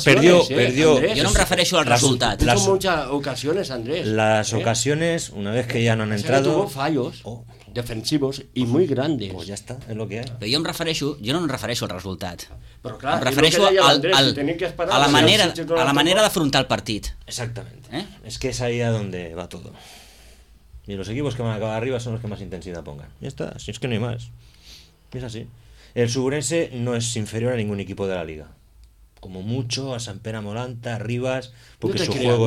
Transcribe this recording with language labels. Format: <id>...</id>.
<ca>Jo no em refereixo al resultat.</ca> <es>Puso muchas ocasiones, Andrés. Las ocasiones, una vez que ya no han entrado... Tuvo fallos defensivos y muy grandes. Pues ya está, es lo que hay.</es> <ca>Però jo no em refereixo al resultat. Però clar, em refereixo a la manera d'afrontar el partit.</ca> <es>Exactamente. Es que es ahí a donde va todo. Y los equipos que van a acabar arriba son los que más intensidad pongan. Ya está, si es que no hay más. Es así. El Subvenció no es inferior a ningún equipo de la liga. Como mucho a Sant Pere Molanta, Rivas, porque no su juego</es>